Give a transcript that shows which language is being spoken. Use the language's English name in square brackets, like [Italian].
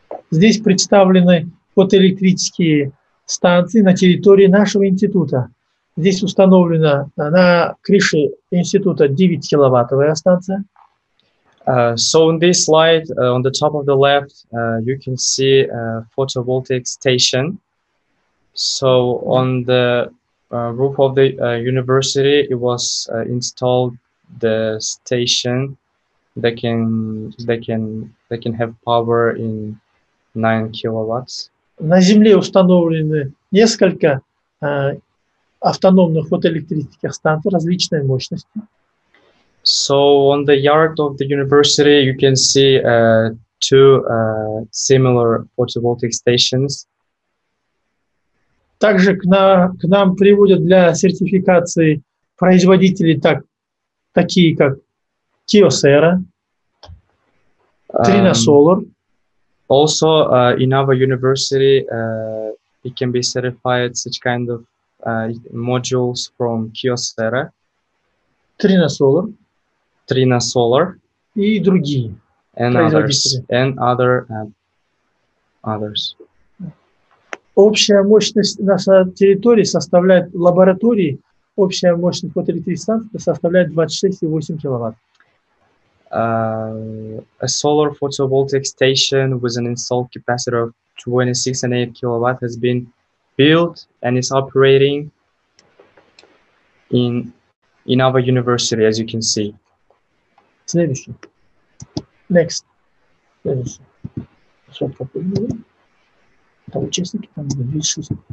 [Russian] Здесь представлены фотоэлектрические станции на территории нашего института. Здесь установлена на крыше института 9 киловаттная станция. [English] So in this slide, on the top of the left, you can see a photovoltaic station. So on the roof of the university, it was installed the station that can have power in 9 kilowatts. [Russian] На земле установлены несколько автономных фотоэлектрических станций различной мощности. [English] So on the yard of the university you can see two similar photovoltaic stations. [Russian] Также к нам приводят для сертификации производители такие как Kyocera, Trina Solar. [English] Also in our university it can be certified such kind of modules from Kyocera, [Russian] Trina Solar, и другие, [English] and others. [Russian] Общая мощность нашей территории составляет лаборатории. Общая мощность фотоэлектрической станции составляет 26,8 киловатт. [English] A solar photovoltaic station with an installed capacity of 26.8 kilowatt has been built and is operating in our university, as you can see. [Russian] Следующий. [English] Next. [Russian] Там участники, там висшие.